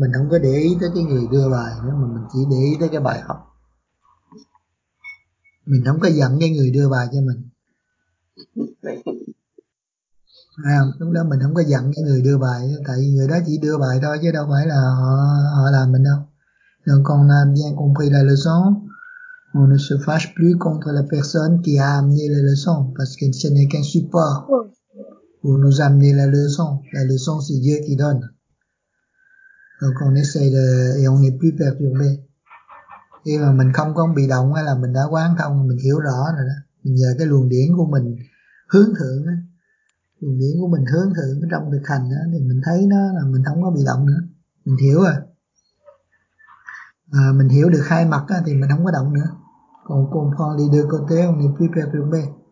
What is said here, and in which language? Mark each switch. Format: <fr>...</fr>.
<vi>Mình không có để ý tới cái người đưa bài nữa, mà mình chỉ để ý tới cái bài học. Mình không có giận cái người đưa bài cho mình. À, lúc đó mình không có giận cái người đưa bài, tại vì người đó chỉ đưa bài thôi chứ đâu phải là họ làm mình đâu.</vi> <fr>Donc quand on a bien compris la leçon, on ne se fâche plus contre la personne qui a amené la leçon, parce que ce n'est qu'un support pour nous amener la leçon. La leçon c'est Dieu qui donne. Donc on essaie de et on est plus perturbé.</fr> <vi>Khi mà mình không có bị động hay là mình đã quán thông, mình hiểu rõ rồi đó, mình nhờ cái luồng điển của mình hướng thượng á, dùng điển của mình hướng thượng trong thực hành đó, thì mình thấy nó là mình không có bị động nữa, mình hiểu rồi. À, mình hiểu được hai mặt đó, thì mình không có động nữa. Còn con phong đi đưa con tế ông đi phía bên phía bên.</vi>